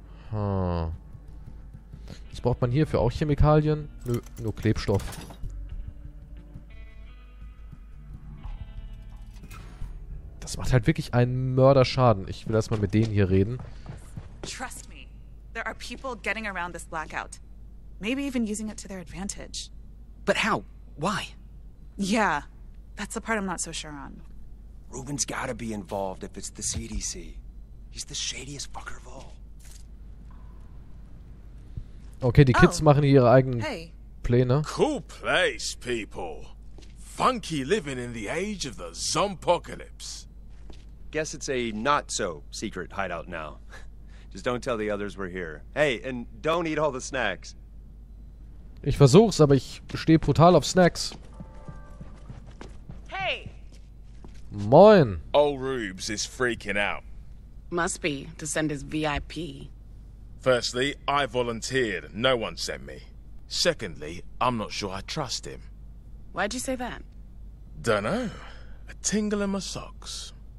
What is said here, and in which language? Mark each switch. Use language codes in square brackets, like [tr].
[de] Hm. Was braucht man hierfür? Auch Chemikalien? Nö, nur Klebstoff. Das macht halt wirklich einen Mörderschaden. Ich will erstmal mit denen hier reden. [en] Trust me, there are people getting around this blackout. Maybe even using it to their advantage. But how? Why? Yeah, that's the part I'm not so sure on. Ruben's gotta be involved if it's the CDC. He's the shadiest fucker of all. [de] Okay, die Kids machen hier ihre eigenen Pläne. [en] Cool place, people. Funky living in the age of the zompocalypse. Guess it's a not-so-secret hideout now. Just don't tell the others we're here. Hey, and don't eat all the snacks. [de] Ich versuch's, aber ich stehe brutal auf Snacks. Hey! Moin! [en] Old Rubes is freaking out. Must be, to send his VIP. Firstly, I volunteered. No one sent me. Secondly, I'm not sure I trust him. Why'd you say that? Dunno. A tingle in my socks.